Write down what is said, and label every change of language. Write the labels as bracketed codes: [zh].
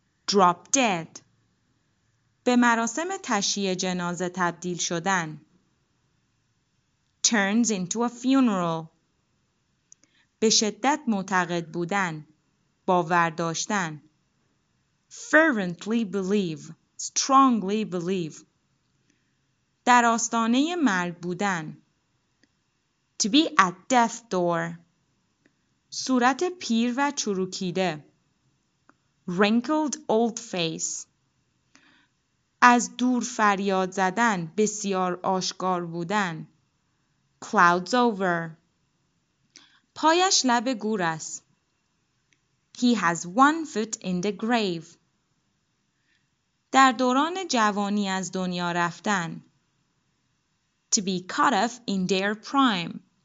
[en] Drop dead. [fa] به مراسم تشییع جنازه تبدیل شدن. [en] Turns into a funeral. [fa] به شدت معتقد بودن، باور داشتن. [en] Fervently believe, strongly believe. [fa] در آستانه مرگ بودن. [en] To be at death door. [fa] صورت پیر و چروکیده. [en] Wrinkled old face. [fa] از دور فریاد زدن، بسیار آشکار بودن. [en] Clouds over. [fa] پایش لب گور است. [en] He has one foot in the grave. [fa] در دوران جوانی از دنیا رفتن. [en] To be cut off in their prime.